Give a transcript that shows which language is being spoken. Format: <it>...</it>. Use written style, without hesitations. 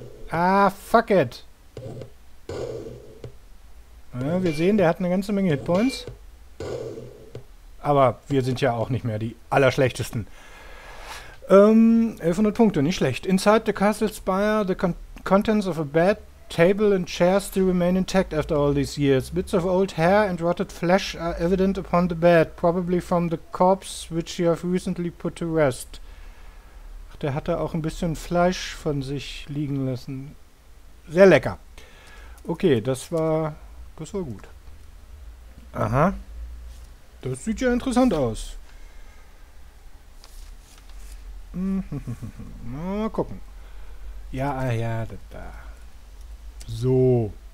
<en>Ah, fuck it.</en> <de>Ja, wir sehen, der hat eine ganze Menge Hitpoints. Aber wir sind ja auch nicht mehr die allerschlechtesten. 1100 Punkte, nicht schlecht.</de> <en>Inside the castle spire, the contents of a bed, table and chairs still remain intact after all these years. Bits of old hair and rotted flesh are evident upon the bed, probably from the corpse which you have recently put to rest.</en> <de>Der hat da auch ein bisschen Fleisch von sich liegen lassen. Sehr lecker. Okay, das war gut. Aha. Das sieht ja interessant aus. Mal gucken. Ja, da. So.</de>